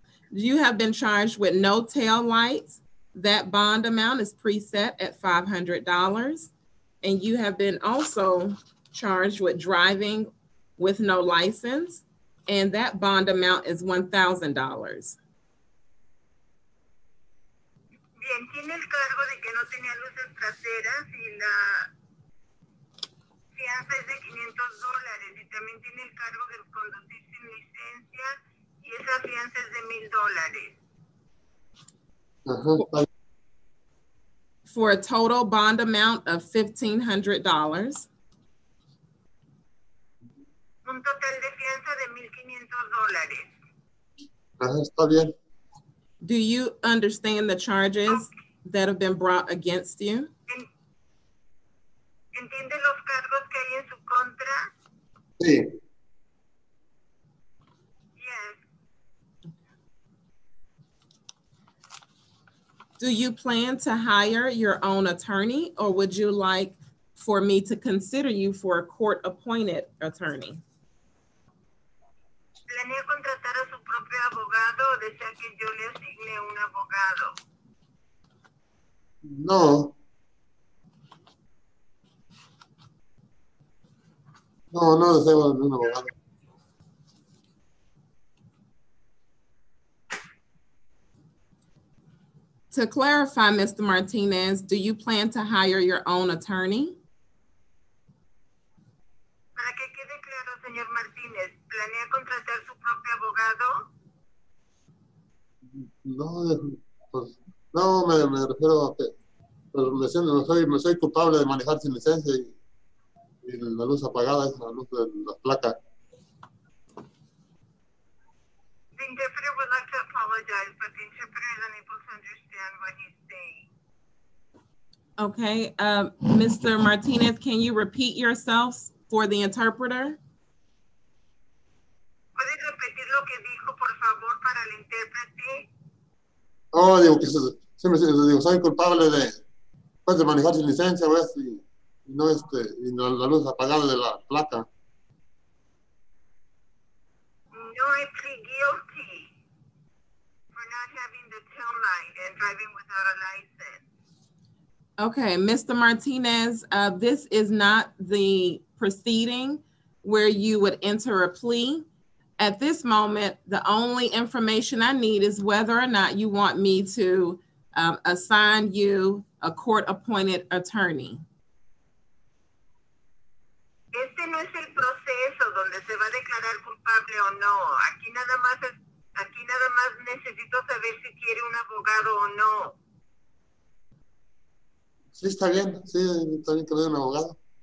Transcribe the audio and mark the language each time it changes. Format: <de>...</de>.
<en>You have been charged with no tail lights. That bond amount is preset at $500. And you have been also charged with driving with no license, and that bond amount is $1,000.</en> <es>Bien, tiene el cargo de que no tenía luces traseras y la fianza es de $500. Y también tiene el cargo de conducir sin licencia y esa fianza es de $1,000.</es> <en>For a total bond amount of $1,500.</en> <es>Un total de fianza de $1,500. Está bien.</es> <en>Do you understand the charges that have been brought against you?</en> <es>¿Entiende los cargos que hay en su contra? Sí.</es> <en>Yes. Do you plan to hire your own attorney, or would you like for me to consider you for a court-appointed attorney?</en> <es>¿Planea contratar a su propio abogado o desea que yo le asigne un abogado? No. No, no deseo un abogado.</es> <en>To clarify, Mr. Martinez, do you plan to hire your own attorney?</en> <es>Para que quede claro, señor Martinez, ¿planea contratar su propio abogado? No, pues, no, me refiero a que, pero me soy culpable de manejar sin licencia y la luz apagada es la luz de la placa.</es> <en>The interpreter would like to apologize, but the interpreter is unable to understand what he's saying. Okay, Mr. Martinez, can you repeat yourself for the interpreter?</en> <es>¿Puedes repetir lo que dijo, por favor, para el intérprete? Oh, digo que soy culpable de manejar sin licencia, ¿ves? Y no y no, la luz apagada de la placa.</es> <en>No, I plead guilty for not having the tail light and driving without a license. Okay, Mr. Martinez, this is not the proceeding where you would enter a plea. At this moment, the only information I need is whether or not you want me to assign you a court-appointed attorney.</en> <es>Este no es el proceso donde se va a declarar culpable o no. Aquí nada más necesito saber si quiere un abogado o no. Sí, está bien. Sí, está bien que le dé un abogado.</es>